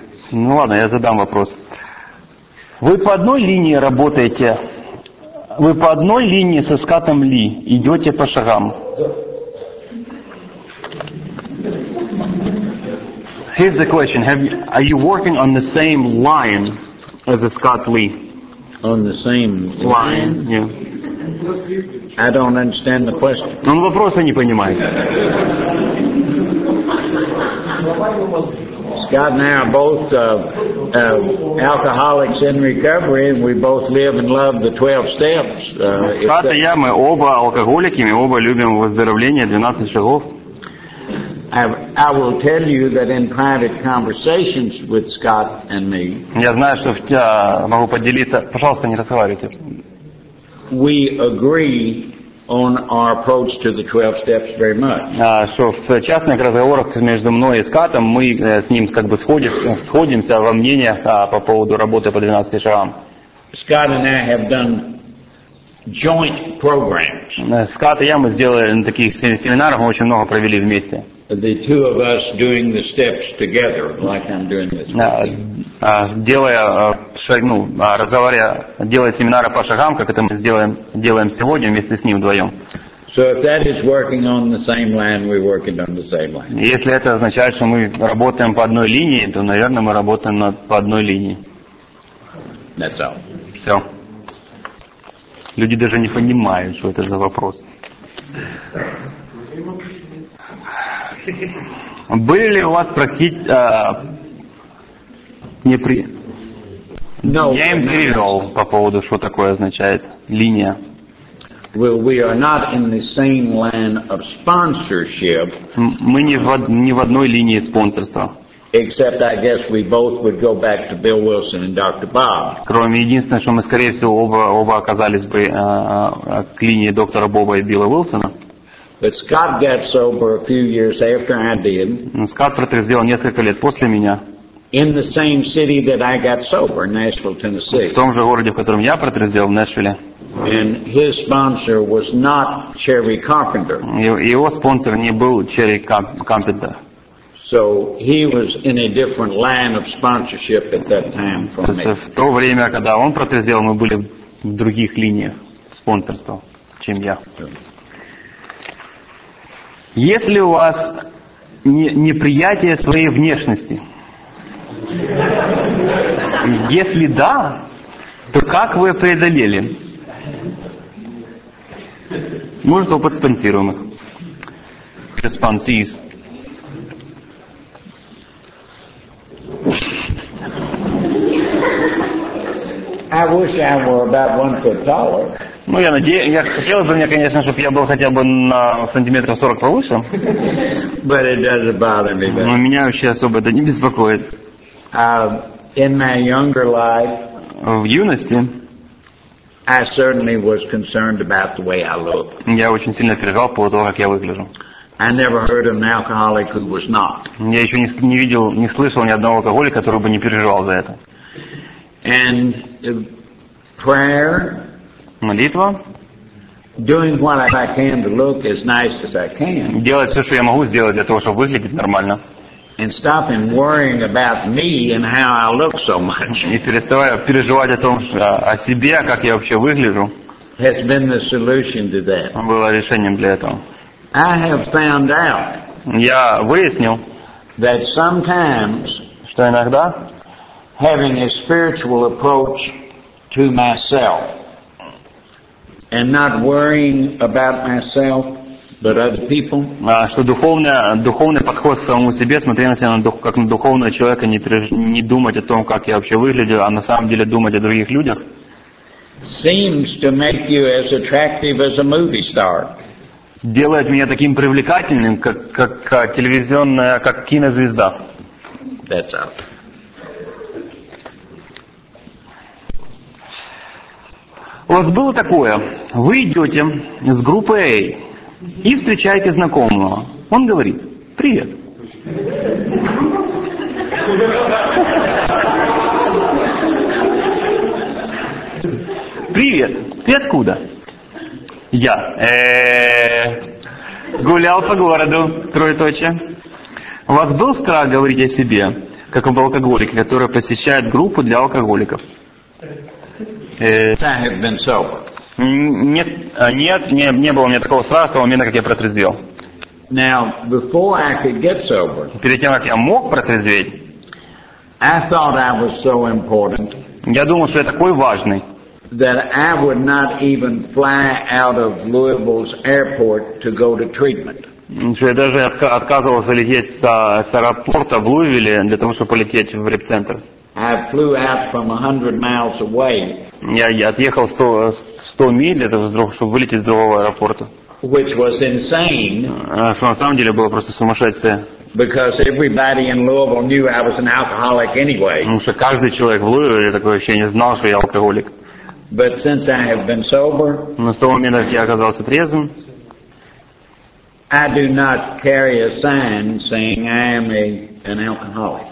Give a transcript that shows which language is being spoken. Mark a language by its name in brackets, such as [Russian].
[Russian] Ну ладно, я задам вопрос. Вы по одной линии работаете, вы по одной линии со Скаттом Ли идете по шагам. [English] Here's the question: Are you working on the same line as Scott Lee? On the same line? Yeah. I don't understand the question. [Russian] Он вопроса не понимает. [English] Scott and I are both alcoholics in recovery, and we both live and love the 12 steps. Scott and I, [Russian] мы оба алкоголики, мы оба любим выздоровление, 12 шагов. [English] I will tell you that in private conversations with Scott and me. [Russian] Я знаю, что могу поделиться. Пожалуйста, не разговаривайте. [English] We agree on our approach to the 12 steps very much. [Russian] Что в частных разговорах между мной и Скаттом мы с ним как бы сходимся во мнениях по поводу работы по 12 шагам. [English] Scott and I have done joint programs. [Russian] Скотт и я мы сделали на таких семинарах, мы очень много провели вместе. [English] The two of us doing the steps together, like I'm doing this. [Russian] Делая семинары по шагам, как это мы делаем сегодня вместе с ним вдвоем. [English] So if that is working on the same line, we're working on the same line. [Russian] Если это означает, что мы работаем по одной линии, то, наверное, мы работаем по одной линии. [English] That's all. [Russian] Все. Люди даже не понимают, что это за вопрос. Были ли у вас Я им перевел по поводу, что такое означает линия. [English] Well, we are not in the same line of sponsorship. [Russian] Мы не в одной линии спонсорства. [English] Except, I guess, we both would go back to Bill Wilson and Dr. Bob. [Russian] Кроме единственного, что мы, скорее всего, оба оказались бы к линии доктора Боба и Билла Уилсона. [English] But Scott got sober a few years after I did. [Russian] Скотт протрезвел несколько лет после меня. [English] In the same city that I got sober, Nashville, Tennessee. [Russian] В том же городе, в котором я протрезвел, в Нэшвилле. [English] And his sponsor was not Cherry Carpenter. [Russian] Его спонсор не был Cherry Carpenter. [English] So he was in a different line of sponsorship at that time from me. [Russian] В то время, когда он протрезвел, мы были в других линиях спонсорства, чем я. Если у вас неприятие своей внешности, если да, то как вы преодолели? Может, опыт спонсируемых? [English] Responses. I wish I were about 1 foot taller. [Russian] Ну, я хотел бы, мне, конечно, чтобы я был хотя бы на сантиметров 40 повыше. [English] But it doesn't bother me. [Russian] Но меня вообще особо это не беспокоит. [English] In my younger life, [Russian] в юности, [English] I certainly was concerned about the way I looked. [Russian] Я очень сильно переживал по тому, как я выгляжу. [English] I never heard of an alcoholic who was not. [Russian] Я еще не видел, не слышал ни одного алкоголика, который бы не переживал за это. [English] And prayer. [Russian] Молитва. [English] Doing what I can to look as nice as I can. [Russian] Делать все, что я могу сделать для того, чтобы выглядеть нормально. [English] And stopping worrying about me and how I look so much. [Russian] И переставая переживать о том, о себе, как я вообще выгляжу. [English] Has been the solution to that. [Russian] Было решением для этого. [English] I have found out. [Russian] Я выяснил. [English] That sometimes. [Russian] Что иногда. [English] Having a spiritual approach to myself. And not worrying about myself. But other people. [Russian] Что духовный подход к самому себе, смотря на себя как на духовного человека, не думать о том, как я вообще выгляжу, а на самом деле думать о других людях. [English] Seems to make you as attractive as a movie star. [Russian] Делает меня таким привлекательным, как телевизионная, как кинозвезда. [English] That's out. [Russian] У вас было такое. Вы идете с группой A. И встречаете знакомого. Он говорит: «Привет». «Привет. Ты откуда?» «Я гулял по городу». Троеточие. У вас был страх говорить о себе, как об алкоголике, который посещает группу для алкоголиков? Нет, не было у меня такого страха с того момента, как я протрезвел. [English] Now, before I could get sober, [Russian] перед тем, как я мог протрезветь, [English] I thought I was so important, [Russian] я думал, что я такой важный, [English] that I would not even fly out of Louisville's airport to go to treatment. [Russian] Что я даже отказывался лететь с аэропорта в Луивилле для того, чтобы полететь в реп-центр. [English] I flew out from 100 miles away. [Russian] Я отъехал 100 миль, чтобы вылететь с другого аэропорта. [English] Which was insane. [Russian] Что на самом деле было просто сумасшествие. [English] Because everybody in Louisville knew I was an alcoholic anyway. [Russian] Потому что каждый человек в Луивилле такое ощущение знал, что я алкоголик. [English] But since I have been sober. [Russian] Но с того момента, как я оказался трезвым. [English] I do not carry a sign saying I am an alcoholic.